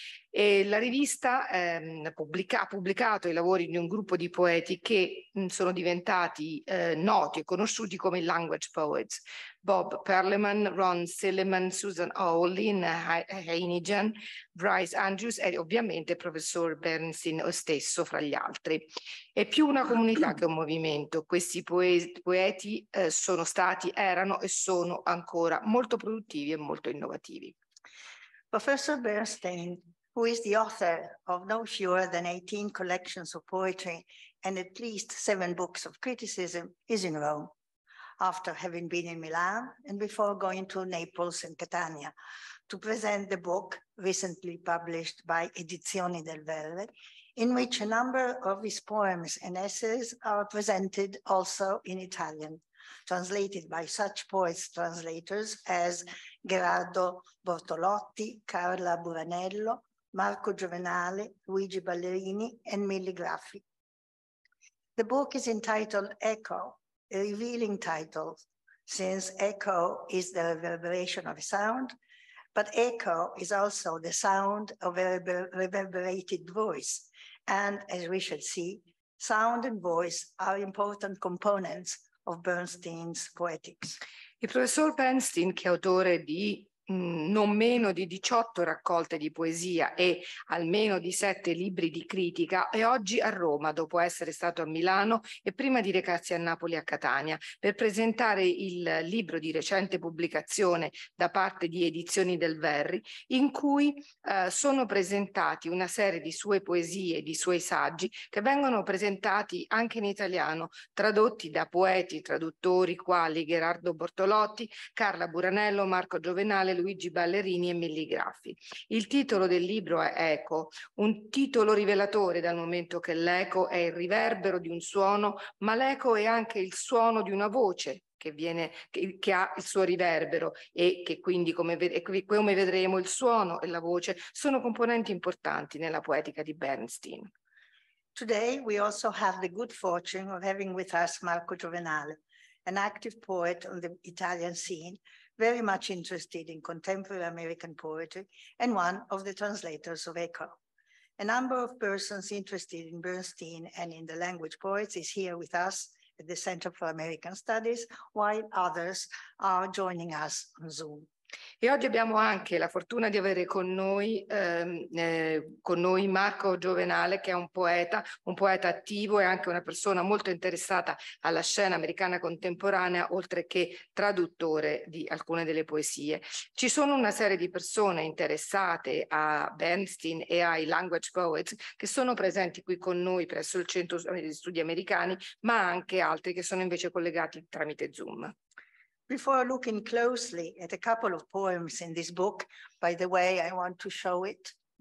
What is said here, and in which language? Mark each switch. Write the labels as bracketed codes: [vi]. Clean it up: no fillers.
[it] E la rivista ha pubblicato i lavori di un gruppo di poeti che sono diventati noti e conosciuti come Language Poets: Bob Perelman, Ron Silliman, Susan Howe, Lynn Hagenian, Bryce Andrews e ovviamente il professor Bernstein stesso, fra gli altri. È più una comunità che un movimento. Questi poeti sono stati, erano e sono ancora molto produttivi e molto innovativi. [en] Professor Bernstein, who is the author of no fewer than 18 collections of poetry and at least 7 books of criticism, is in Rome, after having been in Milan and before going to Naples and Catania to present the book recently published by Edizioni del Verde, in which a number of his poems and essays are presented also in Italian, translated by such poets' translators as Gerardo Bortolotti, Carla Buranello, Marco Giovenale, Luigi Ballerini, and Milly Graffi. The book is entitled Echo, a revealing title, since echo is the reverberation of a sound, but echo is also the sound of a reverberated voice. And as we shall see, sound and voice are important components of Bernstein's Poetics. [it] Il professor Bernstein, che è autore di non meno di 18 raccolte di poesia e almeno di 7 libri di critica, è oggi a Roma dopo essere stato a Milano e prima di recarsi a Napoli e a Catania per presentare il libro di recente pubblicazione da parte di Edizioni del Verri, in cui sono presentati una serie di sue poesie e di suoi saggi che vengono presentati anche in italiano, tradotti da poeti, traduttori quali Gherardo Bortolotti, Carla Buranello, Marco Giovenali, Luigi Ballerini e Milligraffi. Il titolo del libro è Eco, un titolo rivelatore dal momento che l'eco è il riverbero di un suono, ma l'eco è anche il suono di una voce che ha il suo riverbero e che quindi, come vedremo, il suono e la voce sono componenti importanti nella poetica di Bernstein. [en] Today we also have the good fortune of having with us Marco Giovenale, an active poet on the Italian scene, very much interested in contemporary American poetry and one of the translators of Echo. A number of persons interested in Bernstein and in the language poets is here with us at the Center for American Studies, while others are joining us on Zoom. [it] E oggi abbiamo anche la fortuna di avere con noi Marco Giovenale, che è un poeta attivo e anche una persona molto interessata alla scena americana contemporanea, oltre che traduttore di alcune delle poesie. Ci sono una serie di persone interessate a Bernstein e ai language poets che sono presenti qui con noi presso il Centro di Studi Americani, ma anche altri che sono invece collegati tramite Zoom. [en] Before looking closely at a couple of poems in this book, by the way, I want to show it.